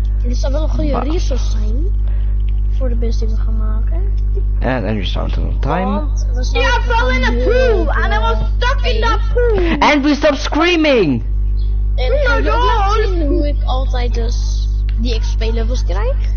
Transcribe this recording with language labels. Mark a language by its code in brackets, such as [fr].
[nl] Dit zou wel een goede resource zijn voor de best die we gaan maken. [en] And then you found it on time. We fell in a pool and I was stuck in that pool. And we stopped screaming. [nl] En hoe ik altijd dus die XP levels krijg.